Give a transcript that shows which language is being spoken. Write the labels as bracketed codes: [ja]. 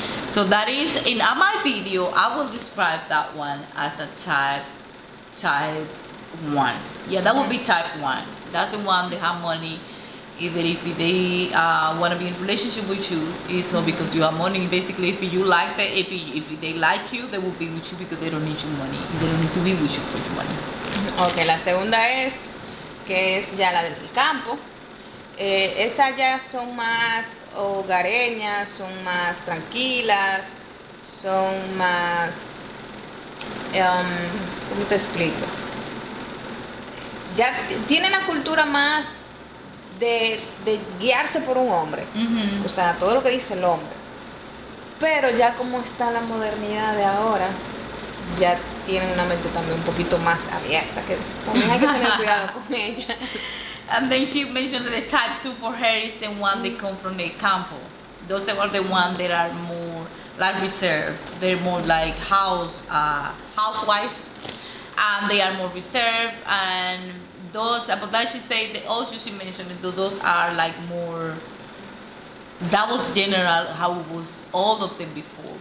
[en] So that is, in my video, I will describe that one as a type one. Yeah, that would be type one. That's the one that have money. Even if they want to be in a relationship with you, it's not because you have money. Basically, if you like that, if they like you, they will be with you because they don't need your money. They don't need to be with you for your money. [es] Okay, la segunda es, que es ya la del campo. Esas ya son más hogareñas, son más tranquilas, son más, ¿cómo te explico? Ya tienen la cultura más de guiarse por un hombre, uh-huh. O sea, todo lo que dice el hombre. Pero ya como está la modernidad de ahora, ya tienen una mente también un poquito más abierta, que también hay que tener cuidado con ella. [en] And then she mentioned that the type 2 for her is the one that come from the campo. Those are the ones that are more like reserved. They're more like housewife. And they are more reserved. And those, but that she said, the also she mentioned, those are like more, that was general how it was all of them before.